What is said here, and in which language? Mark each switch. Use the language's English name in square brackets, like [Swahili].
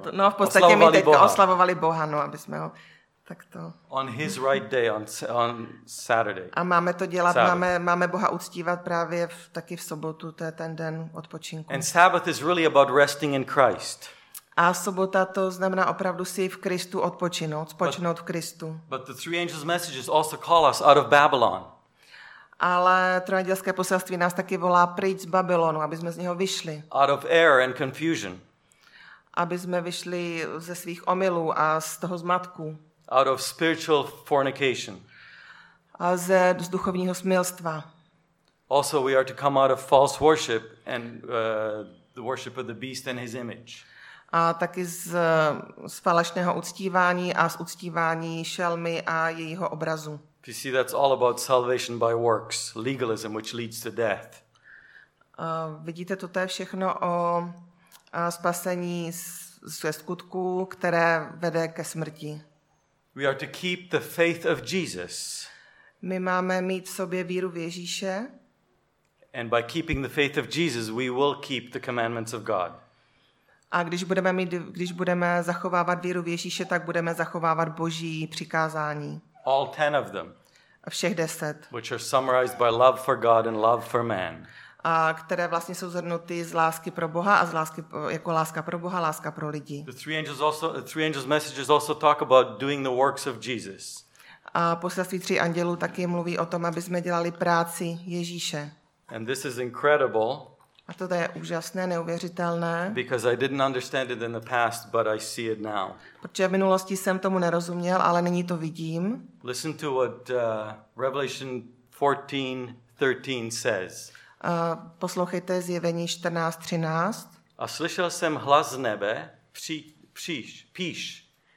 [Czech] v podstatě my teď oslavovali Boha, no, aby jsme ho... Tak to. [English] On his right day, on Saturday. [Czech] A máme to dělat, máme Boha uctívat právě taky v sobotu, to je ten den odpočinku. [English] And Sabbath is really about resting in Christ. [Czech] A sobota to znamená opravdu si v Kristu odpočinout, spočinout v Kristu. [English] But the three angels' messages also call us out of Babylon. [Czech] Ale trojandělské poselství nás taky volá pryč z Babylonu, aby jsme z něho vyšli. [English] Out of error and confusion. [Czech] Aby jsme vyšli ze svých omylů a z toho zmatku. [English] Out of spiritual fornication. [Czech] A ze z duchovního smilstva. [English] Also we are to come out of false worship and the worship of the beast and his image. [Czech] A taky z falešného uctívání a z uctívání šelmy a jejího obrazu. [English] You see, that's all about salvation by works, legalism, which leads to death. [Czech] Vidíte, toto je všechno o spasení ze skutků, které vede ke smrti. [English] We are to keep the faith of Jesus. [Czech] My máme mít v sobě víru v Ježíše. [English] And by keeping the faith of Jesus, we will keep the commandments of God. [Czech] A když budeme zachovávat víru v Ježíše, tak budeme zachovávat Boží přikázání. [English] All 10 of them. [Czech] Všech 10. [English] Which are summarized by love for God and love for man. [Czech] A které vlastně jsou zhrnuty z lásky pro Boha a z lásky jako láska pro Boha, láska pro lidi. [English] The three angels' messages also talk about doing the works of Jesus. [Czech] A poselství tří andělů taky mluví o tom, aby jsme dělali práci Ježíše. [English] And this is incredible. [Czech] A to je úžasné, neuvěřitelné. [English] Because I didn't understand it in the past, but I see it now. [Czech] Protože v minulosti jsem tomu nerozuměl, ale nyní to vidím. [English] Listen to what Revelation 14:13 says. [Czech] Poslouchejte zjevení 14:13. A slyšel jsem hlas z nebe, píš.